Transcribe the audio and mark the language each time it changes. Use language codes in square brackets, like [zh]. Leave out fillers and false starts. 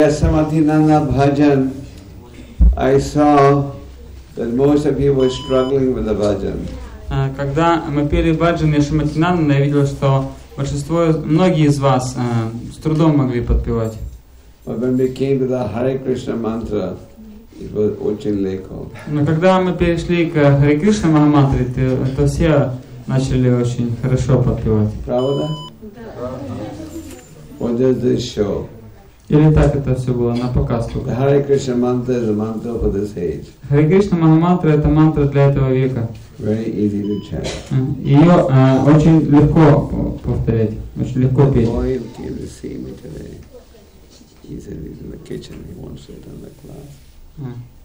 [en] Samadhi Nanda Bhajan, I saw that most of you were struggling with the bhajan. [ru] Когда мы пели бхаджан и Шримати Нанданда, я видел, что большинство, многие из вас с трудом могли подпевать. Но когда мы перешли к Харе Кришна Махамантре, то все начали очень хорошо подпевать. Правда? Да. [en] What is this show? [ru] Или так это все было, на показ только. [en] Харе Кришна Мантра is a mantra for this age. [ru] Харе Кришна Махамантра это мантра для этого века. [en] Very easy to chant. [ru] Ее очень легко повторять, очень легко петь. [en] Boy came to see me today. He said he's in the kitchen, he wants to attend the class.